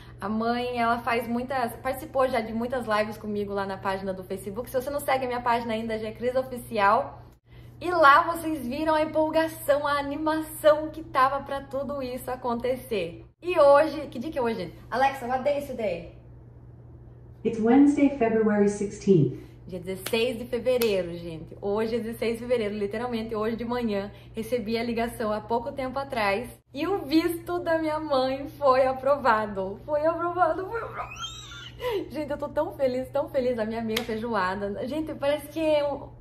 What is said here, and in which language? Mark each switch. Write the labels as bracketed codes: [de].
[pt] A mãe, ela participou já de muitas lives comigo lá na página do Facebook. Se você não segue a minha página ainda, já é Cris Oficial. E lá vocês viram a empolgação, a animação que tava pra tudo isso acontecer. E hoje, que dia que é hoje? Alexa, [en] what day is today? It's Wednesday, February 16th. [pt] Dia 16 de fevereiro, gente. Hoje é 16 de fevereiro, literalmente hoje de manhã. Recebi a ligação há pouco tempo atrás. E o visto da minha mãe foi aprovado. Gente, eu tô tão feliz, a minha amiga feijoada. Gente, parece que eu...